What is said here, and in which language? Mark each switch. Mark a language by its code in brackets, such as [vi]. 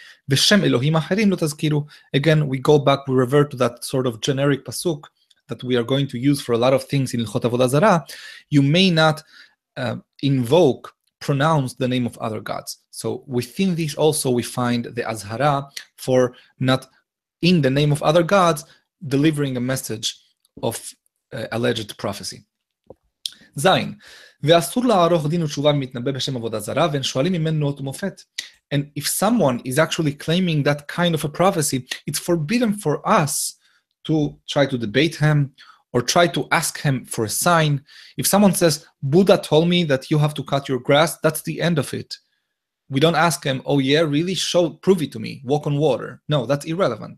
[he] V'shem Elohim achrim lo tazkiru, [en] again, we go back, we revert to that sort of generic pasuk that we are going to use for a lot of things in Ilchot Avodah Zarah, you may not invoke, pronounce the name of other gods. So within this also we find the Azhara for not in the name of other gods, delivering a message of alleged prophecy. [he] Zayin, ואסור לערוך דין ותשובה מתנבא בשם עבודה זרה, ואין שואלים ממנו אותו מופת. [en] And if someone is actually claiming that kind of a prophecy, it's forbidden for us to try to debate him or try to ask him for a sign. If someone says, Buddha told me that you have to cut your grass, that's the end of it. We don't ask him, oh yeah, really? Show, prove it to me. Walk on water. No, that's irrelevant.